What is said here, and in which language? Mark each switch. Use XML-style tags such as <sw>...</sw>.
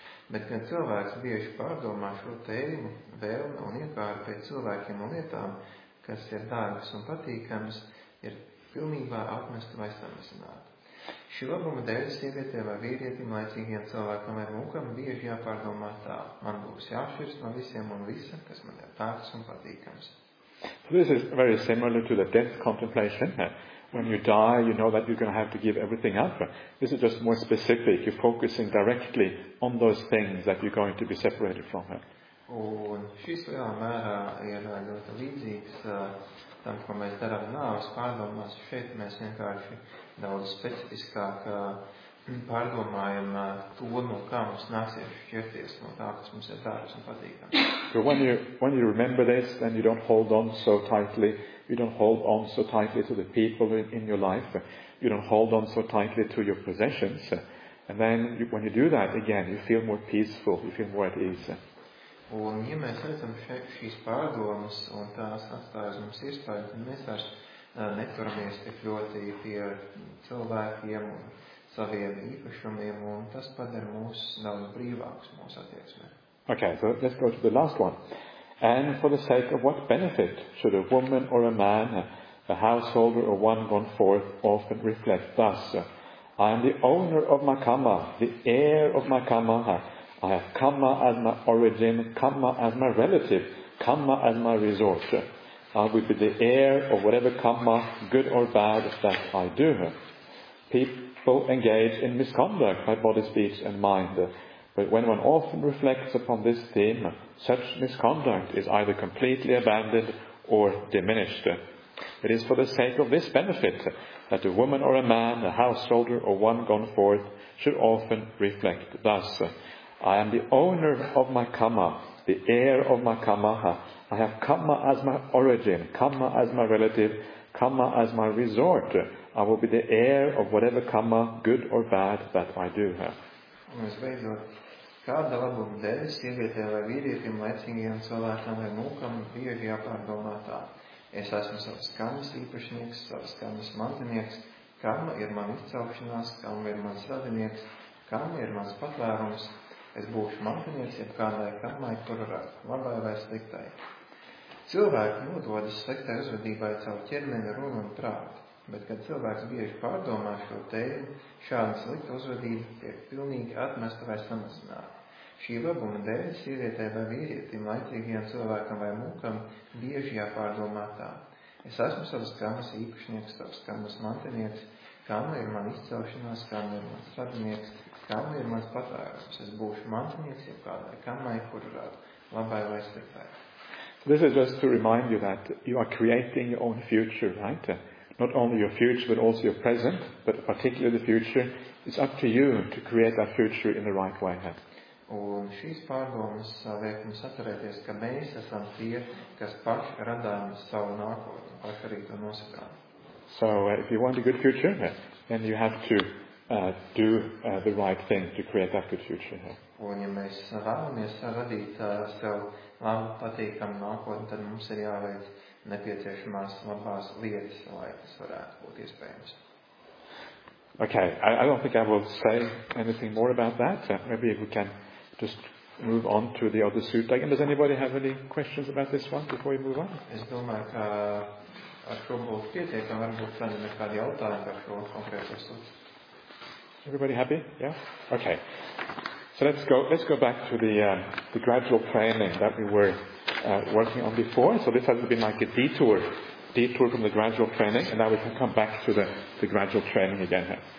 <lv>Bet, kad cilvēks bieži pārdomā šo tēmu, vēlme un iekāra pēc cilvēkiem un lietām, kas ir dārgs un patīkams, ir pilnībā apmest vai samazināt. Šī labuma dēļ sievietēm vai vīrietim, laicīgiem cilvēkam vai mūkam, bieži jāpārdomā tā. Man būs jāšķirst no visiem un visa, kas man ir tāds un patīkams.</lv> <en>So this is very similar to the death contemplation. When you die, you know that you're going to have to give everything up. This is just more specific. You're focusing directly on those things that you're going to be separated from.</en> <lv>Un šis lielā mērā ir ļoti līdzīgs tam, ko mēs darām nāves pārdomās. Šeit mēs vienkārši daudz specifiskāk pārdomājam to, no kā mums nāksies šķirties, no tā, kas mums ir dārgs un patīkams.</lv> <en>So when you remember this, then you don't hold on so tightly. You don't hold on so tightly to the people in your life. You don't hold on so tightly to your possessions. And then when you do that again, you feel more peaceful, you feel more at ease.</en> <lv>Un, ja mēs redzam šīs pārdomas un tās atstājas mums iespējas, tad mēs vairs neturamies tik ļoti pie cilvēkiem un saviem īpašumiem, un tas padara mūs daudz brīvākus mūsu attieksmē.</lv> <en>Okay, so let's go to the last one. And for the sake of what benefit should a woman or a man, a householder or one gone forth, often reflect thus? I am the owner of my kamma, the heir of my kamma. I have kamma as my origin, kamma as my relative, kamma as my resort. I will be the heir of whatever kamma, good or bad, that I do. People engage in misconduct by body, speech and mind. But when one often reflects upon this theme, such misconduct is either completely abandoned or diminished. It is for the sake of this benefit that a woman or a man, a householder or one gone forth, should often reflect thus. I am the owner of my kamma, the heir of my kamma. I have kamma as my origin, kamma as my relative, kamma as my resort. I will be the heir of whatever kamma, good or bad, that I do.</en> <lv>Kāda labuma dēļ sievietēm vai vīrietim, laicīgiem cilvēkam vai mūkam, bieži jāpārdomā tā. Es esmu savas kamas īpašnieks, savas kamas mantinieks, kamma ir man izcelšanās, kamma ir mans radinieks, kamma ir mans patvērums, es būšu mantinieks, jeb kādai kammai, kur varētu labai vai sliktai. Cilvēki nododas sliktai uzvedībai caur ķermeni runu un prātu, bet kad cilvēks bieži pārdomā šo tēmu, šāda slikta uzvedība tiek pilnīgi atmesta vai samazināta. Šī labuma dēļ sievietēm vai vīrietim, laicīgiem cilvēkam vai mūkam, bieži jāpārdomā tā. Es esmu savas kamas īpašnieks, savas kamas mantinieks, kamma ir man izcelšanās, kamma ir mans radinieks, kamma ir mans patvērums. Es būšu mantinieks, jeb kādai kamai, kur varētu labai vai sliktai.</lv> <en>This is just to remind you that you are creating your own future, right? Not only your future, but also your present, but particularly the future. It's up to you to create that future in the right way.</en> <lv>Un šīs pārdomas liek mums atcerēties, ka mēs esam tie, kas paši radām savu nākotni, paši arī to nosakām.</lv> <en>So, if you want a good future, then you have to do the right thing to create that good future.</en> <lv>Un ja mēs vēlamies radīt sev labu patīkamu nākotni, tad mums ir jāveic nepieciešamās labās lietas, lai tas varētu būt iespējams.</lv> <en>Okay, I don't think I will say anything more about that. Maybe we can just move on to the other sutta. Again, does anybody have any questions about this one before we move on?</en> <lv>Es domāju, ka ar šo būs pietiekam, varbūt tādiem ir kādi jautājumi par šo konkrētu sutta.</lv> <en>Everybody happy? Yeah? Okay. So let's go back to the gradual training that we were working on before. So this has been like a detour from the gradual training, and now we can come back to the gradual training again.</en>